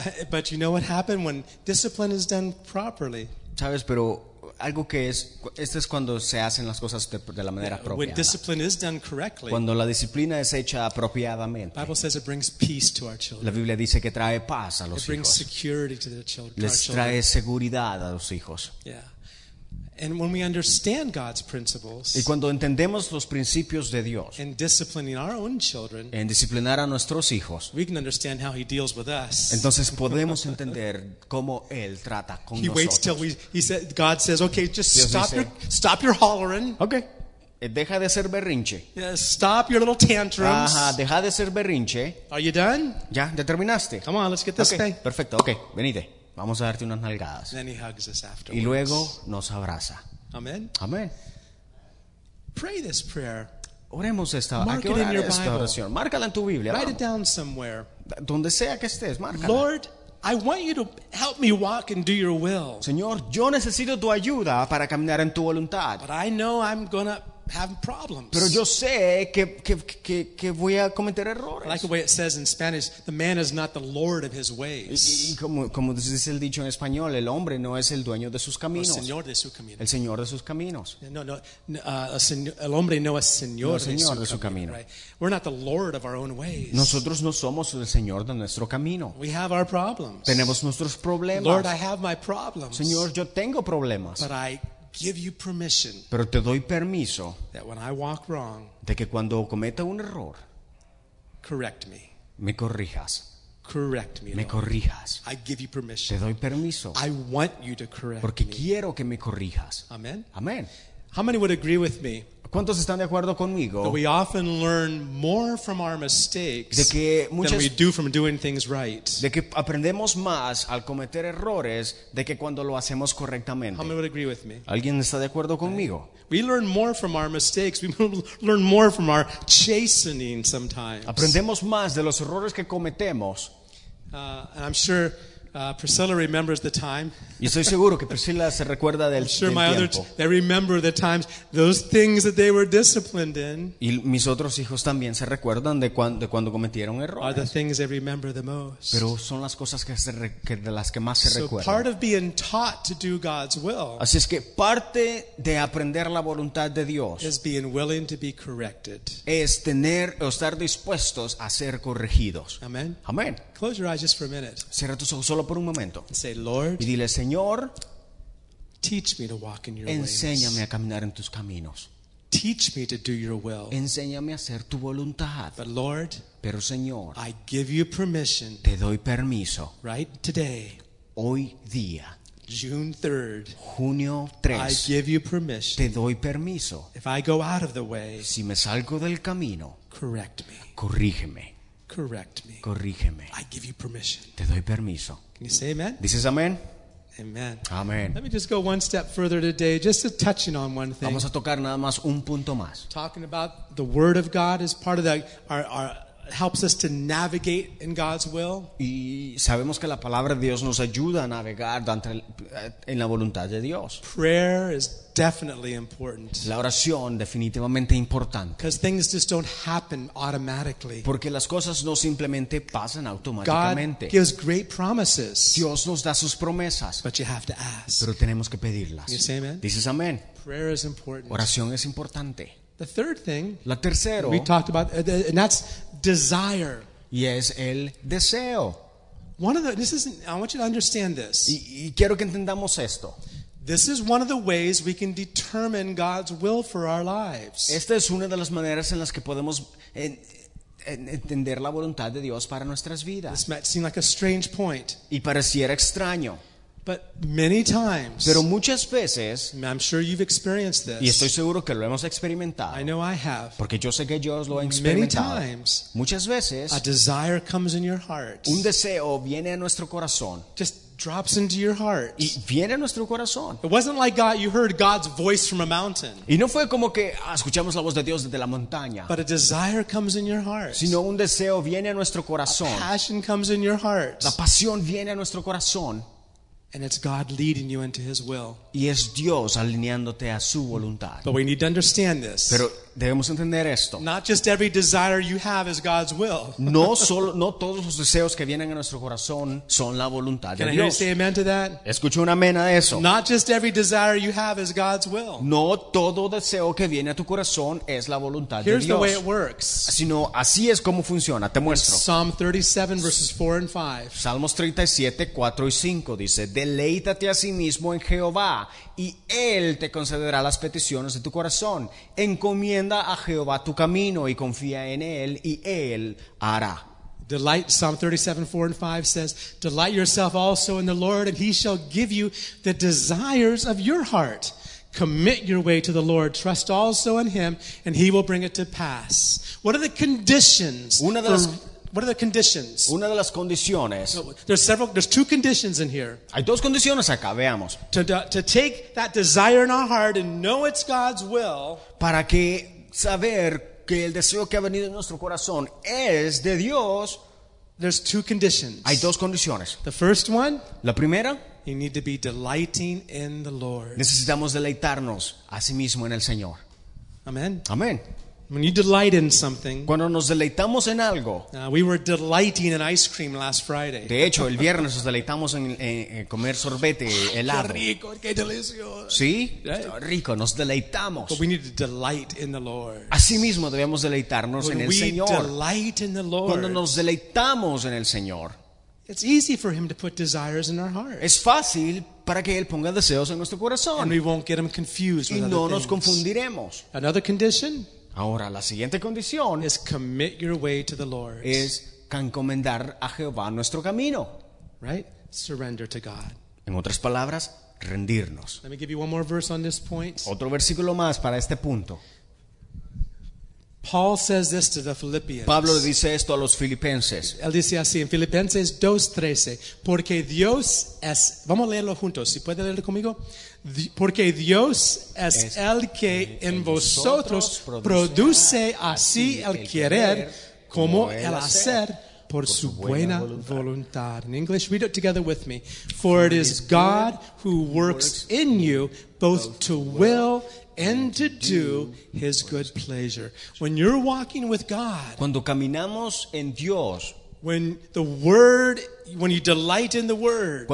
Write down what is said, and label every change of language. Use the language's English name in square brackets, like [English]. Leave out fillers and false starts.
[English] But you know what happened when discipline is done properly. [Spanish] Sabes, pero algo que es, esto es cuando se hacen las cosas de la manera apropiada. [English] When discipline is done correctly. [Spanish] Cuando la disciplina es hecha apropiadamente. [English] The Bible says it brings peace to our children. [Spanish] La Biblia dice que trae paz a los hijos. [English] It brings security to the children. [Spanish] Les trae seguridad a los hijos. [English] Yeah. And when we understand God's principles, [Spanish] y cuando entendemos los principios de Dios, [English] in disciplining our own children, [Spanish] en disciplinar a nuestros hijos, [English] we can understand how He deals with us. [Spanish] Entonces podemos entender cómo Él trata con [English] he [Spanish] nosotros. [English] He waits till we. He said, God says, "Okay, just [Spanish] Dios [English] stop [Spanish] dice, [English] your stop your hollering." [Spanish] Okay. Deja de ser berrinche. [English] Stop your little tantrums. [Spanish] Ajá, deja de ser berrinche. [English] Are you done? [Spanish] Ya, ya terminaste. [English] Come on, let's get this okay, thing. [Spanish] Perfecto. Okay, venite. Vamos a darte unas nalgadas. [English] Then he hugs us afterwards. [Spanish] Y luego nos abraza. [English] Amen. [Spanish] Amen. [English] Pray this prayer. [Spanish] Oremos esta, [English] mark it in your [Spanish] esta [English] Bible. [Spanish] Oración. Márcala en tu Biblia. [English] Write [Spanish] vamos. [English] It down somewhere. [Spanish] Donde sea que estés, márcala. [English] Lord, I want you to help me walk and do your will. [Spanish] Señor, yo necesito tu ayuda para caminar en tu voluntad. [English] But I know I'm gonna have problems. [Spanish] Pero yo sé que voy a cometer errores. [English] I like the way it says in Spanish, the man is not the lord of his ways. [Spanish] Y como dice el dicho en español, el hombre no es el dueño de sus caminos. El señor de sus caminos. El señor de sus caminos. El hombre no es señor, no, señor de su camino. Camino. [English] Right? We're not the lord of our own ways. [Spanish] Nosotros no somos el señor de nuestro camino. [English] We have our problems. [Spanish] Tenemos nuestros problemas. [English] Lord, I have my problems. [Spanish] Señor, yo tengo problemas. [English] But I give you permission. [Spanish] Pero te doy permiso. [English] That when I walk wrong, [Spanish] de que cuando cometa un error, [English] correct me. [Spanish] Me corrijas. [English] Correct me. [Spanish] Me corrijas. [English] I give you permission. [Spanish] Te doy permiso. [English] I want you to correct me. [Spanish] Porque quiero que me corrijas. [English] Amen. [Spanish] Amen. [English] How many would agree with me? [Spanish] ¿Cuántos están de acuerdo conmigo? [English] That we often learn more from our mistakes [Spanish] de que muchas, [English] than we do from doing things right. [Spanish] De que aprendemos más al cometer errores de que cuando lo hacemos correctamente. [English] How many would agree with me? [Spanish] ¿Alguien está de acuerdo conmigo? [English] We learn more from our mistakes. We learn more from our chastening sometimes. [Spanish] Aprendemos más de los errores que cometemos. [English] And I'm sure Priscilla remembers the time. [Spanish] Yo estoy seguro que Priscilla se recuerda del tiempo. [English] Sure, my [Spanish] tiempo. [English] Others, they remember the times, those things that they were disciplined in. [Spanish] Y mis otros hijos también se recuerdan de cuando cometieron errores. [English] Are the things they remember the most. [Spanish] Pero son las cosas que más se [English] so [Spanish] recuerdan. [English] So part of being taught to do God's will. [Spanish] Así es que parte de aprender la voluntad de Dios [English] is being willing to be corrected. [Spanish] Es tener o estar dispuestos a ser corregidos. [English] Amen. [Spanish] Amen. [English] Close your eyes just for a minute. [Spanish] Cierra tus ojos solo por un momento. [English] Say, Lord. [Spanish] Y dile, Señor, [English] teach me to walk in your ways. [Spanish] Enséñame a caminar en tus caminos. [English] Teach me to do your will. [Spanish] Enséñame a hacer tu voluntad. [English] But Lord, [Spanish] pero Señor, [English] I give you permission. [Spanish] Te doy permiso. [English] Right today. [Spanish] Hoy día. [English] June 3rd. [Spanish] Junio 3. [English] I give you permission. [Spanish] Te doy permiso. [English] If I go out of the way. [Spanish] Si me salgo del camino. [English] Correct me. [Spanish] Corrígeme. [English] Correct me. [Spanish] Corrígeme. [English] I give you permission. [Spanish] Te doy permiso. [English] Can you say amen? [Spanish] Dices amén. [English] Amen. [Spanish] Amen. [English] Let me just go one step further today, just touching on one thing. [Spanish] Vamos a tocar nada más un punto más. [English] Talking about the Word of God is part of that. Our helps us to navigate in God's will. [Spanish] Y sabemos que la palabra de Dios nos ayuda a navegar en la voluntad de Dios. [English] Prayer is definitely important. [Spanish] La oración definitivamente importante. [English] Because things just don't happen automatically. [Spanish] Porque las cosas no simplemente pasan automáticamente. [English] God gives great promises. [Spanish] Dios nos da sus promesas. [English] But you have to ask. [Spanish] Pero tenemos que pedirlas. [English] You say amen? [Spanish] Dices amén. [English] Prayer is important. [Spanish] Oración es importante. [English] The third thing, [Spanish] la tercero, [English] we talked about, and that's desire. [Spanish] Y es el deseo. [English] One of the, this isn't, I want you to understand this. [Spanish] Y quiero que entendamos esto. [English] This is one of the ways we can determine God's will for our lives. [Spanish] Esta es una de las maneras en las que podemos entender la voluntad de Dios para nuestras vidas. [English] This might seem like a strange point. [Spanish] Y pareciera extraño. [English] But many times, [Spanish] pero muchas veces, [English] I'm sure you've experienced this. [Spanish] Y estoy seguro que lo hemos experimentado. [English] I know I have. [Spanish] Porque yo sé que yo lo he experimentado. [English] Many times, [Spanish] muchas veces, [English] a desire comes in your heart. [Spanish] Un deseo viene a nuestro corazón. [English] Just drops into your heart. [Spanish] Y viene a nuestro corazón. [English] It wasn't like God, you heard God's voice from a mountain. [Spanish] Y no fue como que escuchamos la voz de Dios desde la montaña. [English] But a desire comes in your heart. [Spanish] Sino un deseo viene a nuestro corazón. [English] A passion comes in your heart. [Spanish] La pasión viene a nuestro corazón. [English] And it's God leading you into His will. [Spanish] Y es Dios alineándote a su voluntad. [English] But we need to understand this. [Spanish] Pero debemos entender esto. [English] Not just every desire you have is God's will. [Spanish] No solo, no todos los deseos que vienen a nuestro corazón son la voluntad [English] Can [Spanish] de Dios. [English] Can I hear you say amen to that? [Spanish] Escucho un amén a eso. [English] Not just every desire you have is God's will. [Spanish] No todo deseo que viene a tu corazón es la voluntad [English] Here's [Spanish] de Dios. [English] Here's the way it works. [Spanish] Sino así es como funciona. Te muestro. Psalm 37 verses 4 and 5. Salmos 37, 4 y 5 dice: Deleítate a sí mismo en Jehová, y Él te concederá las peticiones de tu corazón. Encomienda a Jehová tu camino y confía en Él, y Él hará. [English] Delight, Psalm 37, 4 and 5 says, Delight yourself also in the Lord, and He shall give you the desires of your heart. Commit your way to the Lord, trust also in Him, and He will bring it to pass. What are the conditions? What are the conditions? [Spanish] Una de las condiciones. [English] There's two conditions in here. [Spanish] Hay dos condiciones acá, veamos. [English] To take that desire in our heart and know it's God's will. [Spanish] Para que saber que el deseo que ha venido en nuestro corazón es de Dios. [English] There's two conditions. [Spanish] Hay dos condiciones. [English] The first one. [Spanish] La primera. [English] You need to be delighting in the Lord. [Spanish] Necesitamos deleitarnos a sí mismo en el Señor. [English] Amen. [Spanish] Amen. [English] When you delight in something, [Spanish] cuando nos deleitamos en algo, [English] we were delighting in ice cream last Friday. [Spanish] De hecho, el viernes nos deleitamos en comer sorbete helado. Qué rico, qué delicioso. Sí, está rico, nos deleitamos. [English] But we need to delight in the Lord. [Spanish] Asimismo, debemos deleitarnos [English] when [Spanish] en el Señor. [English] Delight in the Lord, [Spanish] cuando nos deleitamos en el Señor, [English] it's easy for Him to put desires in our heart. [Spanish] Es fácil para que Él ponga deseos en nuestro corazón. [English] And we won't get them confused [Spanish] y [English] with [Spanish] no [English] other [Spanish] nos confundiremos. [English] Another condition. [Spanish] Ahora, la siguiente condición [English] is commit your way to the Lord. [Spanish] Es encomendar a Jehová nuestro camino. [English] Right? Surrender to God. [Spanish] En otras palabras, rendirnos. [English] Let me give you one more verse on this point. [Spanish] Otro versículo más para este punto. [English] Paul says this to the Philippians. [Spanish] Pablo dice esto a los filipenses. Él dice así en Filipenses 2:13, porque Dios es, vamos a leerlo juntos, si puede leer conmigo. Porque Dios es el que en vosotros produce así el querer como el hacer por su buena voluntad. [English] In English, read it together with me. For it is God who works in you both to will and to do His good pleasure. When you're walking with God, [Spanish] cuando caminamos en Dios, [English] when the word, when you delight in the word,